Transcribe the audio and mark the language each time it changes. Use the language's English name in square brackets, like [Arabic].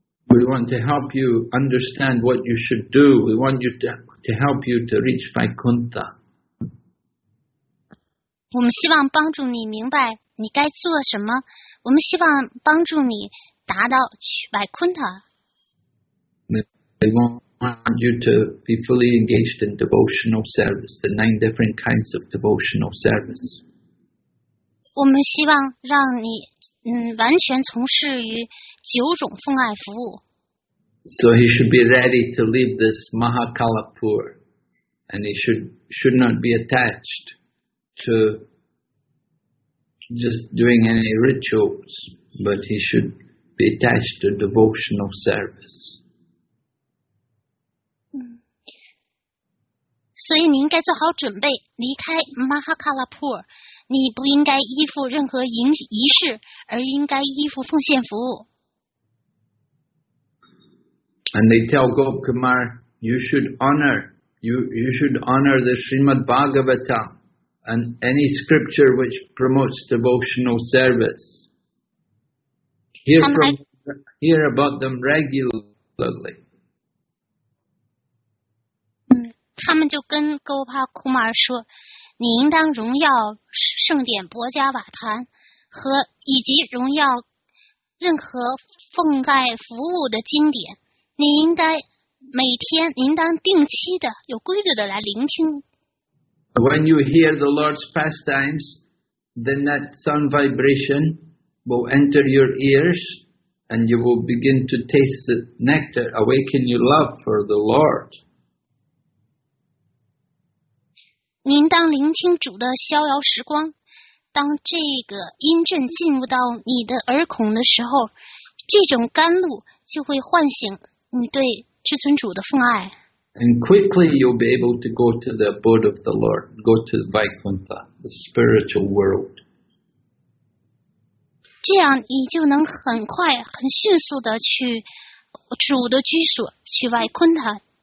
[English] We want to help you understand what you should do. We want you to help you to reach Vaikuntha. [Chinese] 我们希望帮助你明白你该做什么。我们希望帮助你达到去 Vaikuntha. [English] We want you to be fully engaged in devotional service, the 9 different kinds of devotional service. [Chinese] 我们希望让你完全从事于九种奉爱服务。 [English] So he should be ready to leave this Mahakalapur, and he should not be attached to just doing any rituals, but he should be attached to devotional service. [Chinese] 所以你应该做好准备离开 Mahakalapur。你不应该依附任何仪式，而应该依附奉献服务。 [English] And they tell Gopkumar, you should honor the Srimad Bhagavatam and any scripture which promotes devotional service. Hear about them regularly. [Chinese] 他们就跟戈帕库马尔说，你应当荣耀圣典博加瓦坛和以及荣耀任何奉爱服务的经典，你应该每天应当定期的有规律的来聆听。 [English] When you hear the Lord's pastimes, then that sound vibration will enter your ears and you will begin to taste the nectar, awaken your love for the Lord. [Chinese] 您当聆听主的逍遥时光，当这个音阵进入到你的耳孔的时候，这种甘露就会唤醒你对至尊主的奉爱。 [English] And quickly you'll be able to go to the abode of the Lord, go to Vaikuntha, the spiritual world. [Chinese] 这样你就能很快、很迅速的去主的居所，去 Vaikuntha。